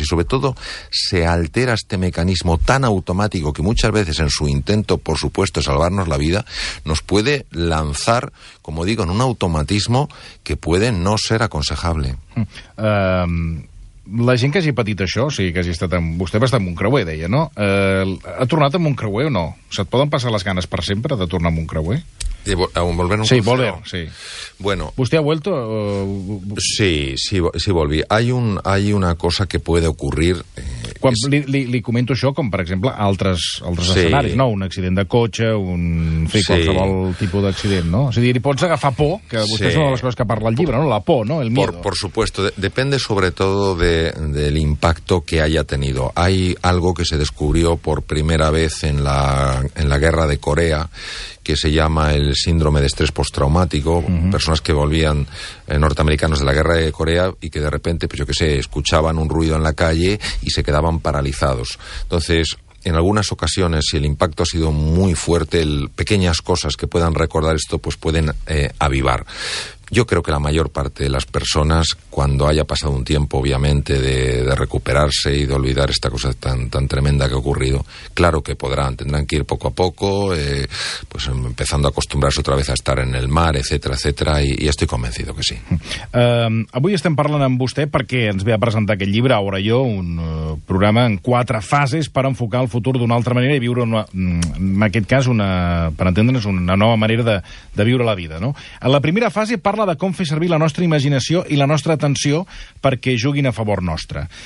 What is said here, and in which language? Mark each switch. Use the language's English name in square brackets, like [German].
[Spanish] Y sobre todo se altera este mecanismo tan automático que muchas veces en su intento, por supuesto, de salvarnos la vida, nos puede lanzar, como digo, en un automatismo que puede no ser aconsejable. [Catalan] La gent que hagi patit això, o sigui, que hagi estat amb... Vostè va estar amb un creuer, deia, no? Ha tornat amb un creuer o no? Se't poden passar les ganes per sempre de tornar amb un creuer? [Spanish] Volver, sí. Bueno, ¿usted ha vuelto? Sí, volví. Hay una cosa que puede ocurrir. [Catalan] Li comento això com, per exemple, altres sí. Escenaris, no? Un accident de cotxe, un... En fi, sí. Qualsevol tipus d'accident, no? És a dir, pots agafar por, que vostè sí. És una de les coses que parla el llibre, no? La por, no? [Spanish] El miedo. Por supuesto. Depende sobre todo del impacto que haya tenido. Hay algo que se descubrió por primera vez en la guerra de Corea, que se llama el síndrome de estrés postraumático, personas que volvían norteamericanos de la guerra de Corea y que de repente, pues yo qué sé, escuchaban un ruido en la calle y se quedaban paralizados. Entonces, en algunas ocasiones, si el impacto ha sido muy fuerte, pequeñas cosas que puedan recordar esto, pues pueden avivar. Yo creo que la mayor parte de las personas, cuando haya pasado un tiempo, obviamente, de recuperarse y de olvidar esta cosa tan tremenda que ha ocurrido, claro que podrán, tendrán que ir poco a poco, pues empezando a acostumbrarse otra vez a estar en el mar, etcétera, etcétera, y estoy convencido que sí. [Catalan] Avui estem parlant amb vostè perquè ens ve a presentar aquest llibre, Ahora Yo, un programa en quatre fases per enfocar el futur d'una altra manera i viure, per entendre'ns, una nova manera de viure la vida, no? En la primera fase parla de com fer servir la nostra imaginació i la nostra atenció perquè juguin a favor nostre.